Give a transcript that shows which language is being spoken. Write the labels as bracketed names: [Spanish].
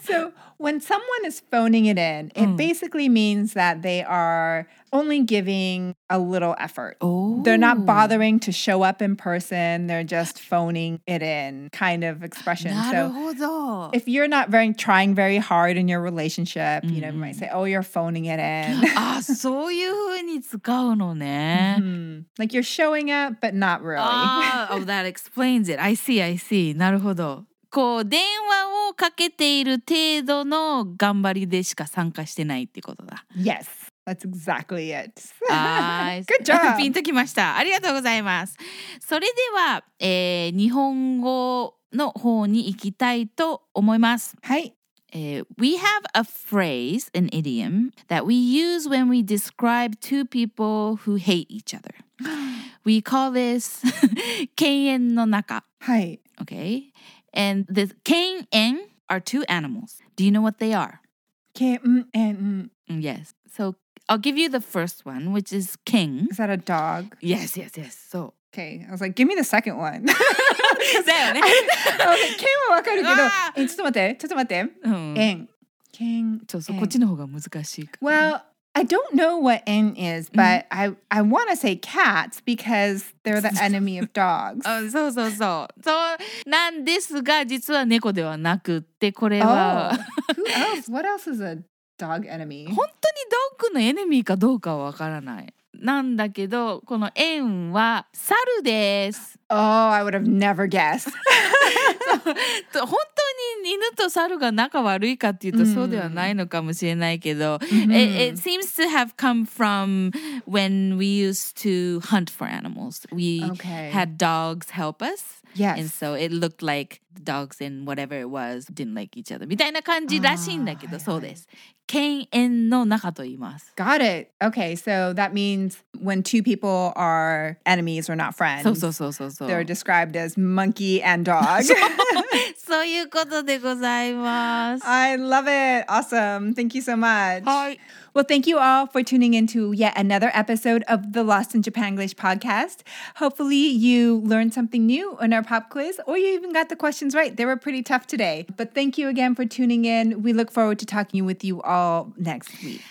[English] So, when someone is phoning it in, it basically means that they are only giving a little effort. Oh. They're not bothering to show up in person. They're just phoning it in kind of expression. [Japanese] なるほど。 [English] So, if you're not very, trying very hard in your relationship, you know, you might say, oh, you're phoning it in. [Japanese] Ah, そういうふうに使うのね。 [English] Like you're showing up, but not really. Oh, that explains it. I see. [Japanese] なるほど。こう電話をかけている程度の頑張りでしか参加してないってことだ。 [English] Yes, that's exactly it. Good job. [Japanese] ピンときました。ありがとうございます。それでは、日本語の方に行きたいと思います。はい。 [English] We have a phrase, an idiom, that we use when we describe two people who hate each other. We call this 犬猿の仲。 [Japanese] はい。 [English] Okay. And the 犬猿 are two animals. Do you know what they are? [Japanese] 犬猿。 [English] Yes. So I'll give you the first one, which is 犬。 Is that a dog? Yes, yes, yes. So... Okay, I was like, give me the second one. [Japanese] だよね。ケンはわかるけど、ちょっと待って、ちょっと待って。エン。ケン。そうそう、こっちの方が難しいから。 [English] Well, I don't know what N is, but I want to say cats because they're the enemy of dogs. [Japanese] そうそうそう。そうなんですが、実は猫ではなくって、これは。 [English] Who else? What else is a dog enemy? [Japanese] 本当にドッグのエネミーかどうかはわからない。なんだけど、この縁は猿です。 [English] Oh, I would have never guessed. [Japanese] 本当に犬と猿が仲悪いかっていうと、そうではないのかもしれないけど、 [English] It seems to have come from when we used to hunt for animals. We had dogs help us. Yes. And so it looked like the dogs and whatever it was didn't like each other. [Japanese] みたいな感じらしいんだけど、そうです。犬猿の仲と言います。 [English] Got it. Okay, so that means when two people are enemies or not friends. [Japanese] そうそうそうそう。 [English] They're described as monkey and dog. [Japanese] そういうことでございます。 [English] I love it. Awesome. Thank you so much. [Japanese] はい。 [English] Well, thank you all for tuning in to yet another episode of the Lost in Japanglish podcast. Hopefully you learned something new in our pop quiz, or you even got the questions right. They were pretty tough today. But thank you again for tuning in. We look forward to talking with you all next week.